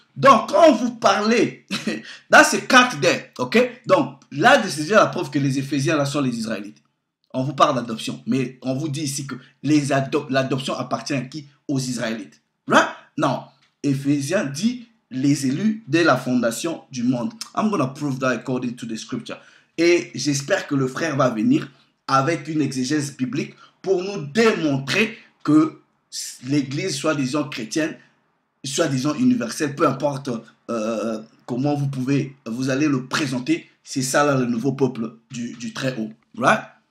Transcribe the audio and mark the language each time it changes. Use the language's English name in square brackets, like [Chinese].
[French] Donc quand vous parlez, dans ces quatre dés, ok, donc là c'est déjà la preuve que les Éphésiens là sont les Israélites. On vous parle d'adoption, mais on vous dit ici que l'adoption appartient à qui? Aux Israélites. Right? Non. Éphésiens dit les élus dès la fondation du monde. [English] I'm going to prove that according to the scripture. [French] Et j'espère que le frère va venir avec une exégèse biblique pour nous démontrer que l'église, soi-disant chrétienne, soi-disant universelle, peu importe comment vous allez le présenter, c'est ça là, le nouveau peuple du Très-Haut. Right?